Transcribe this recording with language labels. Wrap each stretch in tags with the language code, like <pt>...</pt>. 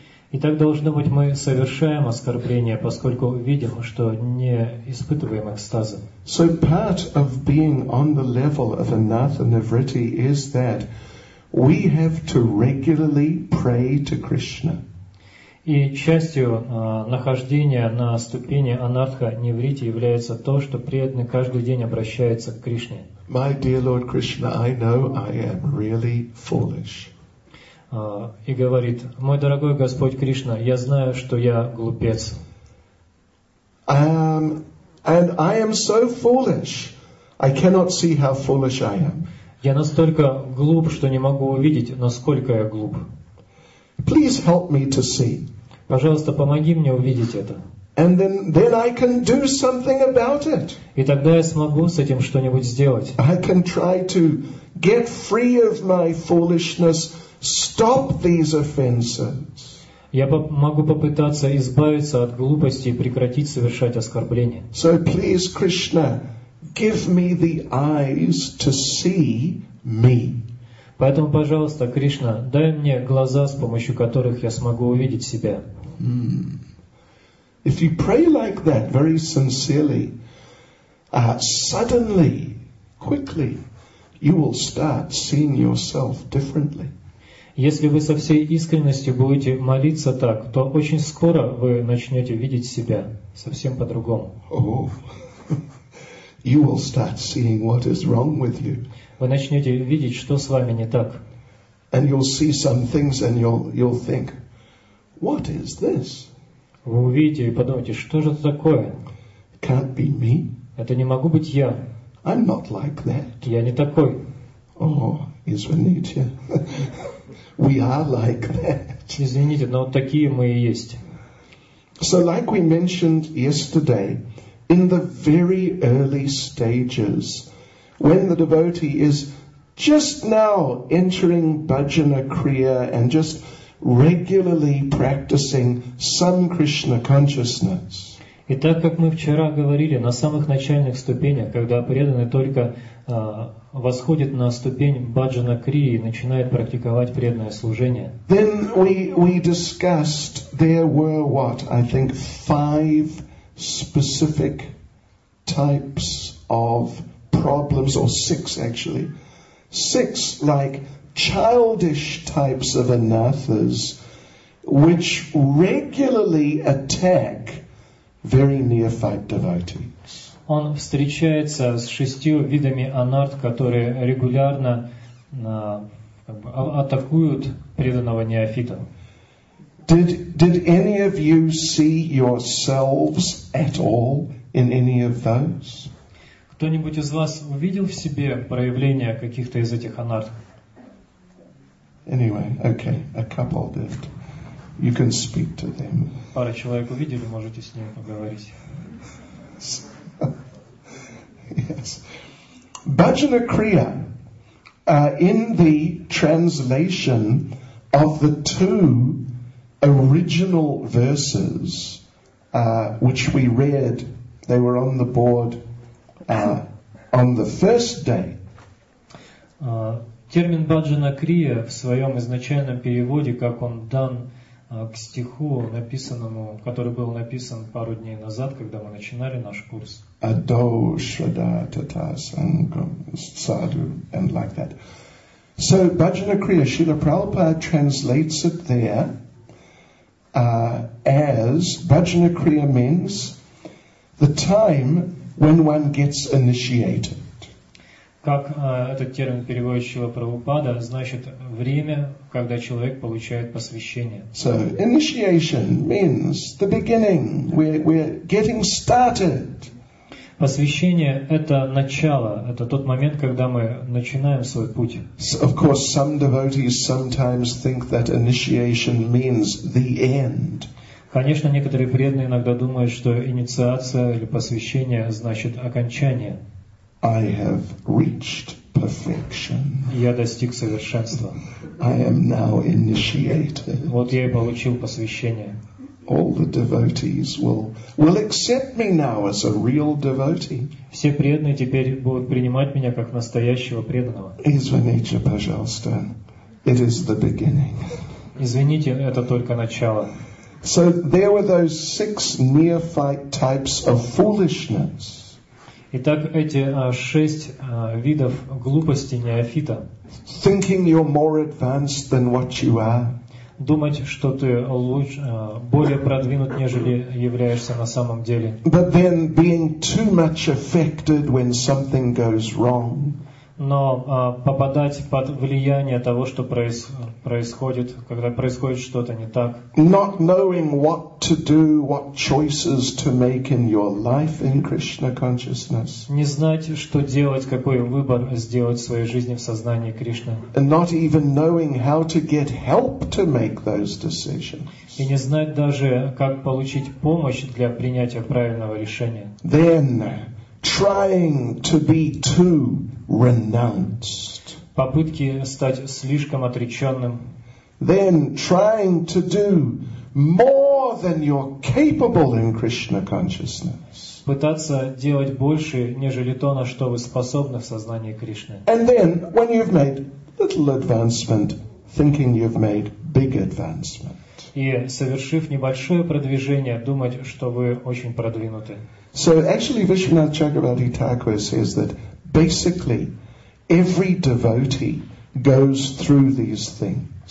<ru>И так должно быть, мы совершаем оскорбление, поскольку видим, что не испытываем экстаза.</ru> <en>So part of being on the level of anatta nivritti is that we have to regularly pray to Krishna.</en> <ru>И частью нахождения на ступени анатха нивритти является то, что преданный каждый день обращается к Кришне.</ru> <en>My dear Lord Krishna, I know I am really foolish.</en> <ru>И говорит: мой дорогой Господь Кришна, я знаю, что я глупец.</ru> <en>And I am so foolish. I cannot see how foolish I am.</en> <ru>Я настолько глуп, что не могу увидеть, насколько я глуп.</ru> <en>Please help me to see.</en> <ru>Пожалуйста, помоги мне увидеть это.</ru> <en>And then I can do something about it.</en> <ru>И тогда я смогу с этим что-нибудь сделать.</ru> <en>I can try to get free of my foolishness. Stop these offenses.</en> <ru>Я могу попытаться избавиться от глупости и прекратить совершать оскорбления.</ru> <en>So please, Krishna, give me the eyes to see me.</en> <ru>Поэтому, пожалуйста, Кришна, дай мне глаза, с помощью которых я смогу увидеть себя.</ru> <en>If you pray like that very sincerely, suddenly, quickly, you will start seeing yourself differently.</en> <ru>Если вы со всей искренностью будете молиться так, то очень скоро вы начнете видеть себя совсем по-другому.</ru> <en>You will start seeing what is wrong with you.</en> <ru>Вы начнете видеть, что с вами не так.</ru> <en>And you'll see some things and you'll think, what is this?</en> <ru>Вы увидите и подумаете, что же это такое?</ru> <en>Can't be me.</en> <ru>Это не могу быть я.</ru> <en>I'm not like that.</en> <ru>Я не такой. Извините.</ru> <en>We are like that.</en> <ru>Извините, но такие мы и есть.</ru> <en>So like we mentioned yesterday, in the very early stages, when the devotee is just now entering bhajana kriya and just regularly practicing some Krishna consciousness.</en> <ru>И так как мы вчера говорили, на самых начальных ступенях, когда преданный только восходит на ступень бхаджана крии и начинает практиковать преданное служение.</ru> <en>Then we discussed there were what I think five specific types of problems, or six actually, six like childish types of anathas which regularly attack very neophyte devotees.</en> <ru>Он встречается с шестью видами анарт, которые регулярно атакуют преданного неофита.</ru> <en>Did any of you see yourselves at all in any of those?</en> <ru>Кто-нибудь из вас увидел в себе проявление каких-то из этих анарт?</ru> <en>Anyway, okay, a couple did. You can speak to them.</en> <ru>Пара человек увидели, можете с ними поговорить.</ru> <en>Yes. Bhajana Kriya, in the translation of the two original verses, which we read, they were on the board on the first day.</en> <ru>Термин Bhajana Kriya в своем изначальном переводе, как он дан к стиху, написанному, который был написан пару дней назад, когда мы начинали наш курс.</ru> <sa>Ado shada tatasangam sadhu,</sa> <en>and like that. So Bhajana Kriya, Srila Prabhupada translates it there as Bhajana Kriya means the time when one gets initiated.</en> <ru>Как этот термин переводящего Прабхупада значит время, когда человек получает посвящение.</ru> <en>So initiation means the beginning. We're getting started.</en> <ru>Посвящение – это начало, это тот момент, когда мы начинаем свой путь.</ru> <en>Of course, some devotees sometimes think that initiation means the end.</en> <ru>Конечно, некоторые преданные иногда думают, что инициация или посвящение значит окончание.</ru> <en>I have reached perfection.</en> <ru>Я достиг совершенства.</ru> <en>I am now initiated.</en> <ru>Вот я и получил посвящение.</ru> <en>All the devotees will accept me now as a real devotee.</en> <ru>Все преданные теперь будут принимать меня как настоящего преданного. Извините, пожалуйста.</ru> <en>It is the beginning.</en> <ru>Извините, это только начало.</ru> <en>So there were those six neophyte types of foolishness.</en> <ru>Итак, эти шесть видов глупости неофита.</ru> <en>Thinking you're more advanced than what you are.</en> <ru>Думать, что ты лучше, более продвинут, нежели являешься на самом деле.</ru> <en>But then being too much affected when something goes wrong.</en> <ru>Но попадать под влияние того, что происходит, когда происходит что-то не так.</ru> <en>Not knowing what to do, what choices to make in your life in Krishna consciousness.</en> <ru>Не знать, что делать, какой выбор сделать в своей жизни в сознании Кришны.</ru> <en>And not even knowing how to get help to make those decisions.</en> <ru>И не знать даже, как получить помощь для принятия правильного решения.</ru> <en>Then trying to be too renounced.</en> <ru>Попытки стать слишком отреченным.</ru> <en>Then trying to do more than you're capable in Krishna consciousness.</en> <ru>Пытаться делать больше, нежели то, на что вы способны в сознании Кришны.</ru> <en>And then, when you've made little advancement, thinking you've made big advancement.</en> <ru>И совершив небольшое продвижение, думать, что вы очень продвинуты.</ru> <en>So actually, Vishwanath Chakravarti Thakur says that basically every devotee goes through these things.</en>